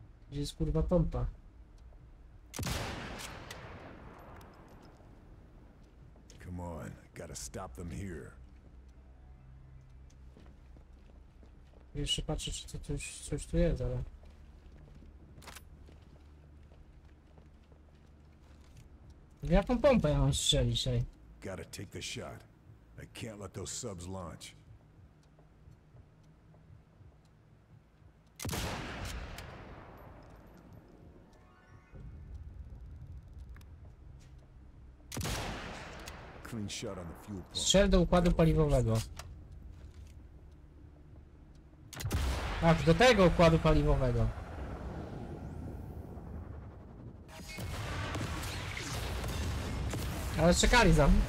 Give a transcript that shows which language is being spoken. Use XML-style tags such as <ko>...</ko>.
<pl>Gdzie jest kurwa pompa?</pl> <en>Come on, gotta stop them here.</en> <pl>Jeszcze patrzę, czy coś tu jest, ale... Jaką pompę ja mam strzelić, ej?</pl> <en>Gotta take the shot. I can't let those subs launch. Clean shot on the fuel pump.</en> <pl>Strzel do układu paliwowego. Tak, do tego układu paliwowego. Ale czekali za.</pl>